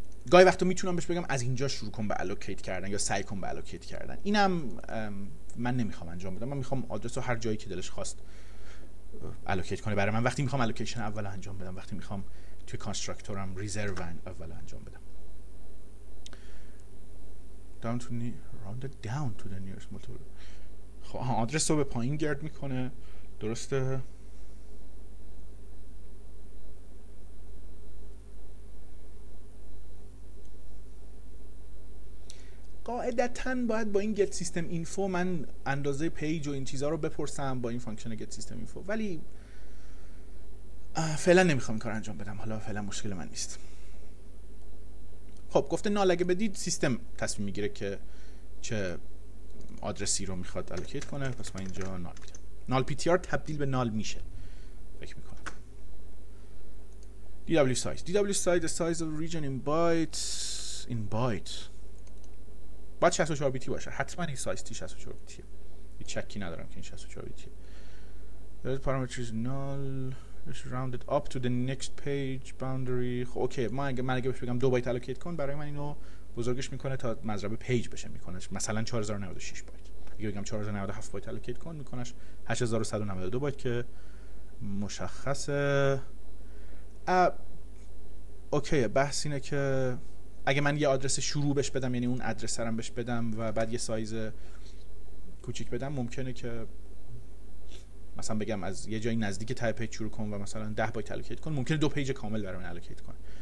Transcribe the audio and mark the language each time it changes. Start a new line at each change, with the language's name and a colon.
Persian: گاهی وقتا میتونم بهش بگم از اینجا شروع کن به allocate کردن یا سعی کن به allocate کردن. اینم من نمیخوام انجام بدم. من میخوام آدرس رو هر جایی که دلش خواست allocate کنه برای من. وقتی میخوام allocation اول انجام بدم، وقتی میخوام توی constructorم reserve اول انجام بدم.
English: Round down to the nearest multiple.
Persian: خب آدرس رو به پایین گرد میکنه، درسته؟ قاعدتا باید با این گت سیستم اینفو من اندازه پیج و این چیزا رو بپرسم با این فانکشن گت سیستم اینفو، ولی فعلا نمیخوام این کار انجام بدم. حالا فعلا مشکل من نیست. خب گفته نال اگه بدید سیستم تصمیم میگیره که چه آدرسی رو میخواد الوکیت کنه، پس من اینجا نال میدم. نال پی تی آر تبدیل به نال میشه فکر میکنم.
English: DW size the size of the region in byte.
Persian: In byte باید 64 بیتی باشه حتما. این سایز تی 64 بیتیه، هیچ شکی ندارم که این 64 بیتیه.
English: The parameter is null. It's rounded up to the next page boundary.
Persian: خب اوکی، من اگه بهش بگم 2 بایت الوکیت کن، برای من اینو بزرگش میکنه تا مضربه پیج بشه، میکنه مثلا 4096 بایت. اگه بگم 4097 بایت الوکیت کن، میکنش 8192 بایت که مشخصه. اوکی، بحث اینه که اگه من یه آدرس شروع بهش بدم، یعنی اون آدرس سرم بهش بدم و بعد یه سایز کوچیک بدم، ممکنه که مثلا بگم از یه جایی نزدیک تای پیج شروع کن و مثلا 10 بایت الوکیت کن، ممکنه 2 پیج کامل برام الوکیت کنه.